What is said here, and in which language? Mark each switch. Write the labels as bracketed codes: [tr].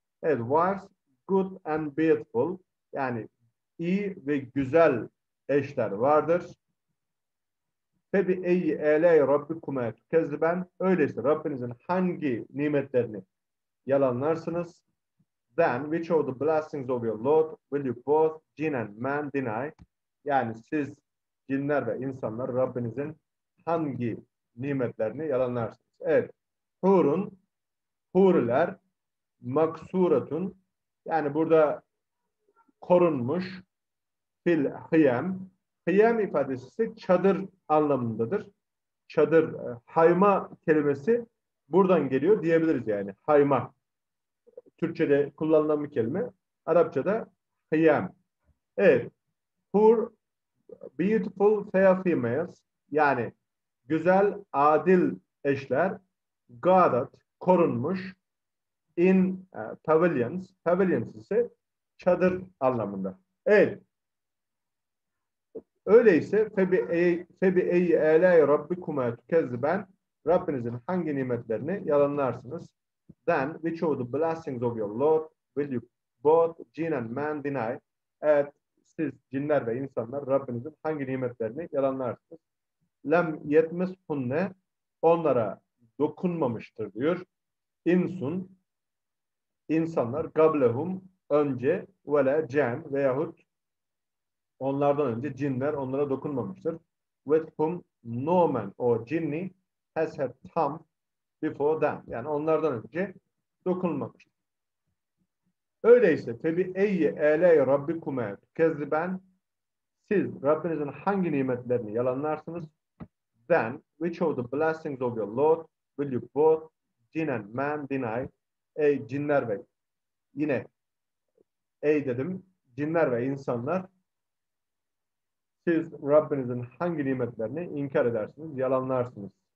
[tr] Evet, [en] wives good and beautiful, [tr] yani İyi ve güzel eşler vardır. [ar] Febi eyyi eley rabbikume tükezben, [tr] öyleyse Rabbinizin hangi nimetlerini yalanlarsınız? [en] Then which of the blessings of your Lord will you both jinn and man deny? [tr] Yani siz cinler ve insanlar Rabbinizin hangi nimetlerini yalanlarsınız? Evet. Hurun, huriler, maksuratun, yani burada korunmuş, [ar] fil hıyam. [tr] Hıyam ifadesi ise çadır anlamındadır. Çadır, hayma kelimesi buradan geliyor diyebiliriz yani. Hayma. Türkçe'de kullanılan bir kelime. Arapça'da hıyam. Evet. Hur, [en] beautiful fair females, [tr] yani güzel, adil eşler. [en] Guarded, [tr] korunmuş. [en] In pavilions. [tr] Pavilions ise çadır anlamında. Evet. Öyleyse [ar] febi eyi eley rabbikume tükezben, [tr] Rabbinizin hangi nimetlerini yalanlarsınız? [en] Then which of the blessings of your Lord will you both jinn and man deny? [tr] Evet, siz cinler ve insanlar Rabbinizin hangi nimetlerini yalanlarsınız? Lem yetmez hunne, onlara dokunmamıştır diyor. İnsun, insanlar gablehum, önce vele cen veyahut onlardan önce cinler onlara dokunmamıştır. [en] With whom no man or jinni has had tam before them. [tr] Yani onlardan önce dokunmamıştır. Öyleyse [ar] tebi eyye eley rabbikume kezriben, [tr] siz Rabbinizin hangi nimetlerini yalanlarsınız? [en] Then which of the blessings of your Lord will you both jinn and man deny? [tr] Ey cinler ve yine ey dedim cinler ve insanlar, siz Rabbinizin hangi nimetlerini inkar edersiniz, yalanlarsınız?